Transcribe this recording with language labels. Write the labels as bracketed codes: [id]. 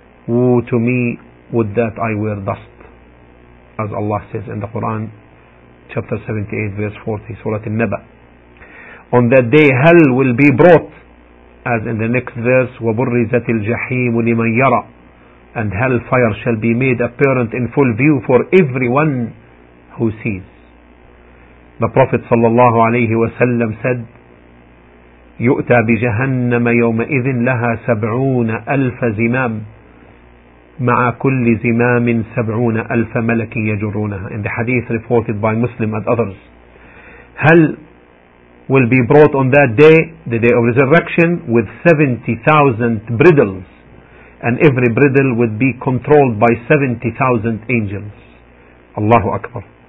[en] Woe to me, would that I were dust. As Allah says in the Quran, chapter 78, verse 40, Surah An-Naba. On that day hell will be brought, as in the next verse, [ar] وَبُرِّزَتِ الْجَحِيمُ لِمَنْ يَرَى. [en] And hellfire shall be made apparent in full view for everyone who sees. The Prophet sallallahu alayhi wa sallam said, [ar] يُؤْتَى بِجَهَنَّمَ يَوْمَئِذٍ لَهَا سَبْعُونَ أَلْفَ زِمَامٍ مع كل زمام سبعون ألف ملك يجرونها. [en] In the hadith reported by Muslim and others, hell will be brought on that day, the day of resurrection, with 70,000 bridles, and every bridle would be controlled by 70,000 angels. Allahu Akbar.